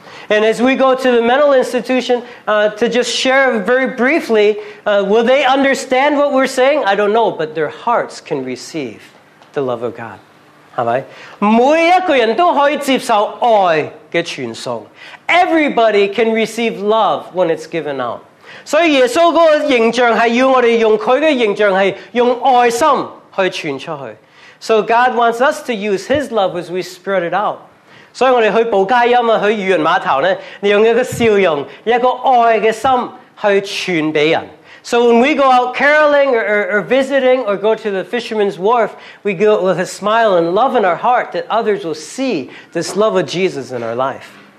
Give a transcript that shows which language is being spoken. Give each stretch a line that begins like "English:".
English: And as we go to the mental institution, to just share very briefly, will they understand what we're saying? I don't know, but their hearts can receive the love of God.
Chinese: 是吧? 每一个人都可以接受爱的传送。
English: Everybody can receive love when it's given out.
Chinese: 所以耶稣的形象是要我们用他的形象是用爱心去传出去。
English: So God wants us to use His love as we spread it out.
Chinese: 所以我们去报佳音,去渔人码头,用一个笑容,一个爱的心去传给人。
English: So when we go out caroling or visiting or go to the fisherman's wharf, we go with a smile and love in our heart that others will see this love of Jesus in our life.